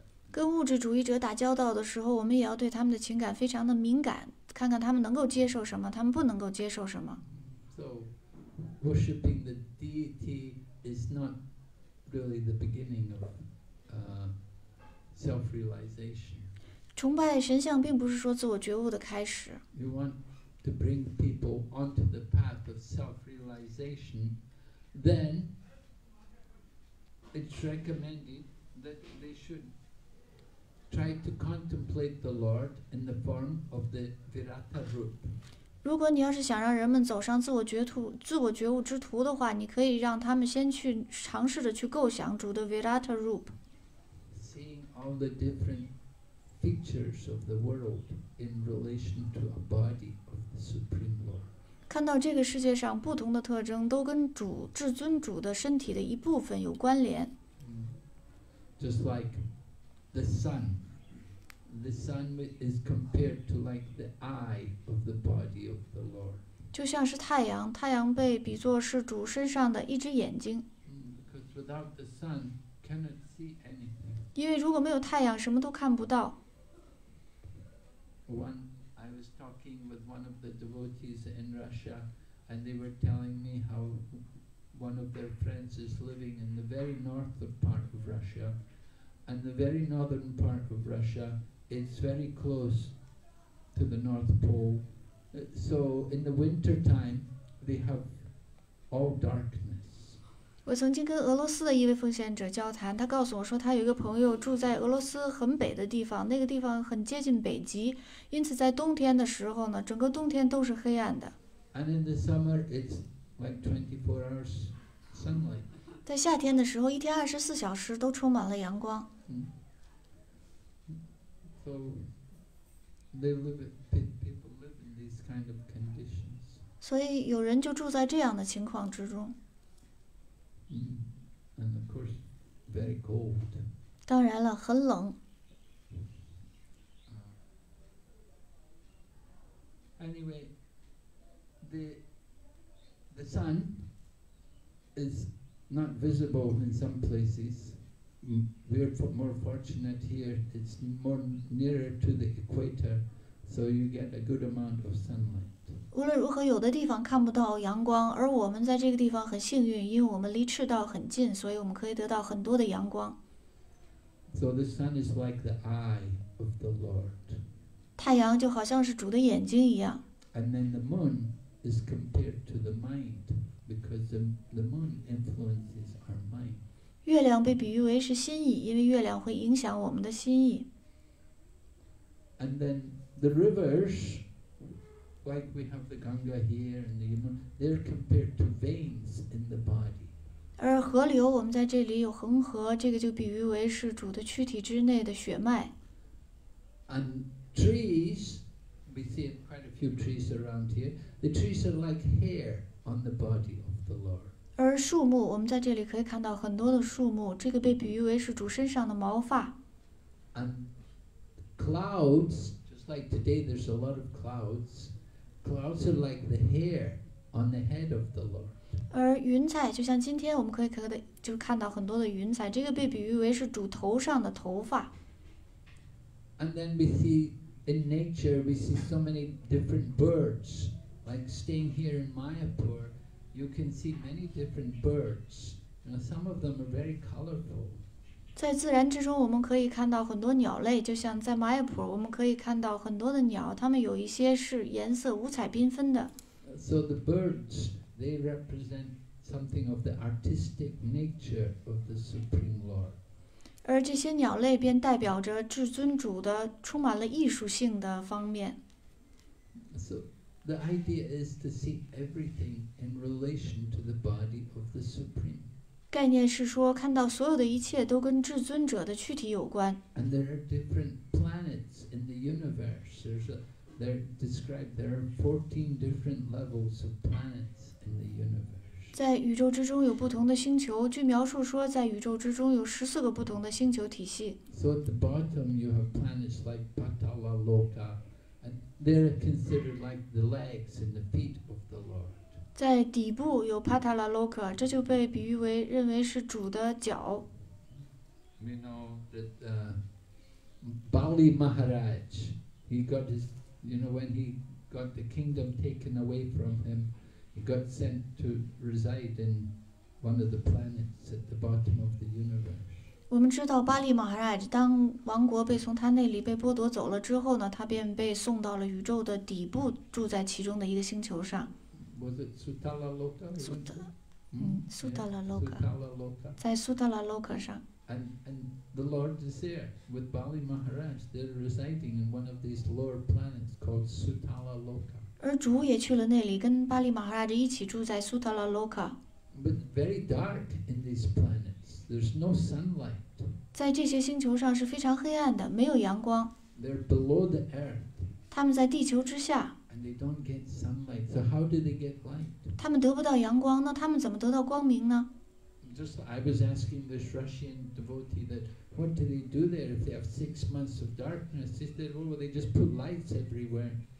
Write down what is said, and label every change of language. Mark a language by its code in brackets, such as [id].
[zh] 跟物质主义者打交道的时候，我们也要对他们的情感非常的敏感，看看他们能够接受什么，他们不能够接受什么。 [en] So, worshipping the deity is not really the beginning of self-realization. [zh] 崇拜神像并不是说自我觉悟的开始。 [en] You want to bring people onto the path of self-realization, then it's recommended that they should try to contemplate the Lord in the form of the Virata Rupa. [zh] 如果你要是想让人们走上自我觉悟之途的话，你可以让他们先去尝试着去构想主的 Virata Rupa。 [en] All the different features of the world in relation to a body of the Supreme Lord. [zh] 看到这个世界上不同的特征都跟主至尊主的身体的一部分有关联。 [en] Just like the sun is compared to like the eye of the body of the Lord. [zh] 就像是太阳，太阳被比作是主身上的一只眼睛。 [en] Because without the sun, cannot see anything. [zh] 因为如果没有太阳，什么都看不到。 [en] I was talking with one of the devotees in Russia, and they were telling me how one of their friends is living in the very northern part of Russia, and the very northern part of Russia is very close to the North Pole. So in the winter time, they have all darkness. [zh] 我曾经跟俄罗斯的一位奉献者交谈，他告诉我说他有一个朋友住在俄罗斯很北的地方，那个地方很接近北极，因此在冬天的时候呢，整个冬天都是黑暗的。 [en] And in the summer, it's like 24 hours sunlight. [zh] 在夏天的时候，一天二十四小时都充满了阳光。 [en] So, they live, people live in these kind of conditions. [zh] 所以有人就住在这样的情况之中。 [en] And of course, very cold. [zh] 当然了，很冷。 [en] Anyway, the sun is not visible in some places. We're more fortunate here. It's more nearer to the equator, so you get a good amount of sunlight. [zh] 无论如何，有的地方看不到阳光，而我们在这个地方很幸运，因为我们离赤道很近，所以我们可以得到很多的阳光。 [en] So the sun is like the eye of the Lord. [zh] 太阳就好像是主的眼睛一样。 [en] And then the moon is compared to the mind, because the moon influences our mind. [zh] 月亮被比喻为是心意，因为月亮会影响我们的心意。 [en] And then the rivers. Like we have the Ganga here and the Yamuna, they're compared to veins in the body. [zh] 而河流，我们在这里有恒河，这个就比喻为是主的躯体之内的血脉。 [en] And trees, we see quite a few trees around here. The trees are like hair on the body of the Lord. [zh] 而树木，我们在这里可以看到很多的树木，这个被比喻为是主身上的毛发。 [en] And clouds, just like today, there's a lot of clouds. Clouds are like the hair on the head of the Lord. [zh] 而云彩就像今天我们可以看到很多的云彩，这个被比喻为是主头上的头发。 [en] And then we see in nature, we see so many different birds. Like staying here in Mayapur, you can see many different birds. You know, some of them are very colorful. [zh] 在自然之中，我们可以看到很多鸟类，就像在马耶普，我们可以看到很多的鸟，它们有一些是颜色五彩缤纷的。 [en] So the birds, they represent something of the artistic nature of the Supreme Lord. [zh] 而这些鸟类便代表着至尊主的充满了艺术性的方面。 [en] So the idea is to see everything in relation to the body of the Supreme. [zh] 概念是说，看到所有的一切都跟至尊者的躯体有关。 [en] And there are different planets in the universe. There are 14 different levels of planets in the universe. [zh] 在宇宙之中有不同的星球，据描述说，在宇宙之中有14个不同的星球体系。 [en] So at the bottom you have planets like Patala Loka, and they're considered like the legs and the feet of the Lord. [zh] 在底部有 Patala Loka, 这就被比喻为认为是主的脚。 [en] We know that Bali Maharaj, when he got the kingdom taken away from him, he got sent to reside in one of the planets at the bottom of the universe. [zh] 我们知道巴利马哈拉吉当王国被从他那里被剥夺走了之后呢，他便被送到了宇宙的底部，住在其中的一个星球上。 [en] Was it Sutala Loka? Sutala Loka. Sutala Loka. [zh] 在 Sutala Loka 上。 [en] And the Lord is there with Bali Maharaj. They're residing in one of these lower planets called Sutala Loka. [zh] 而主也去了那里，跟巴利马哈拉吉一起住在 Sutala Loka. [en] But very dark in these planets. There's no sunlight. [zh] 在这些星球上是非常黑暗的，没有阳光。 [en] They're below the earth. [zh] 他们在地球之下。 [en] And they don't get sunlight. So how do they get light? [zh] 他们得不到阳光，那他们怎么得到光明呢？ [en] Just I was asking this Russian devotee that what do they do there if they have 6 months of darkness? He said, "Oh, they just put lights everywhere."